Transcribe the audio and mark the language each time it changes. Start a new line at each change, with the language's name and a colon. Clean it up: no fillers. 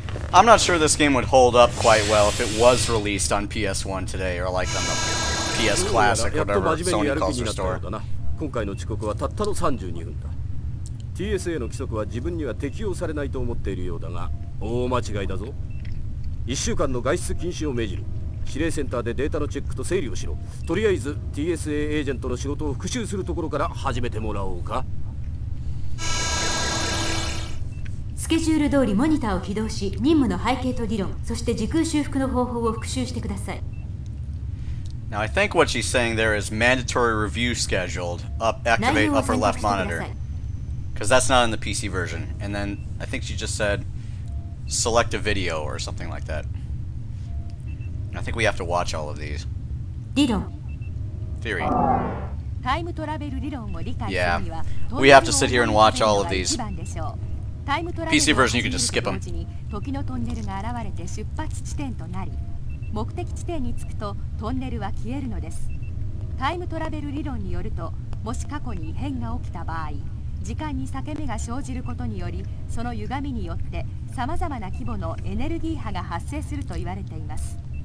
English: I'm not sure this game would hold up quite well if it was released on PS1 today, or like on the PS Classic, whatever Sony calls the store.
Japanese: 今回の遅刻はたったの32分だ。TSA の規則は自分には適用されないと思っているようだが、大間違いだぞ。 1週間の外出禁止を命じる。指令センターでデータのチェックと整理をしろ。とりあえず TSA エージェントの仕事を復習するところから始めてもらおうか。スケジュール通りモニターを起動し、任務の背景と理論、そして時空修復の方法を復習してください。
English: Now I think what she's saying there is mandatory review scheduled. Up, activate upper left monitor. Because that's not in the PC version. And then I think she just said select a video or something like that. I think we have to watch all of these.
Japanese: 理論。
English: Theory.
Japanese: タイムトラベル理論を理解するには、
English: We have to sit here and watch all of these. PC version, you can just skip them.
Japanese: 時のトンネルが現れて出発地点となり、目的地点に着くとトンネルは消えるのです。タイムトラベル理論によると、もし過去に異変が起きた場合、時間に裂け目が生じることにより、その歪みによって様々な規模のエネルギー波が発生すると言われています。